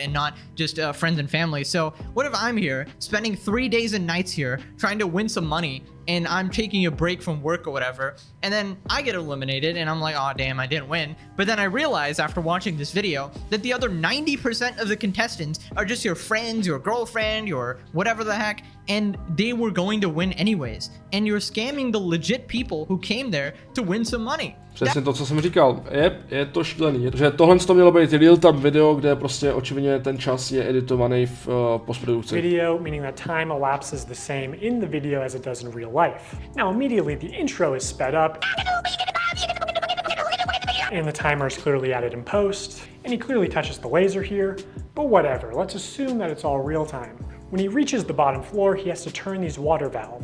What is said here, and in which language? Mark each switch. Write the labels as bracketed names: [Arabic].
[English] And not just friends and family. So what if I'm here spending 3 days and nights here trying to win some money and I'm taking a break from work or whatever, and then I get eliminated and I'm like, oh damn, I didn't win. But then I realize after watching this video that the other 90% of the contestants are just your friends, your girlfriend, your whatever the heck, and they were going to win anyways. And you're scamming the legit people who came there to win some money. [Czech] Přesně to, co jsem říkal. Je to šílený. Že tohle to mělo být real time video, kde prostě očividně ten čas je editovaný v postprodukci. [English] Video, meaning that time elapses the same in the video as it does in real life. Now immediately the intro is sped up. And the timer is clearly added in post. And he clearly touches the laser here. But whatever, let's assume that it's all real time. When he reaches the bottom floor, he has to turn these water valves.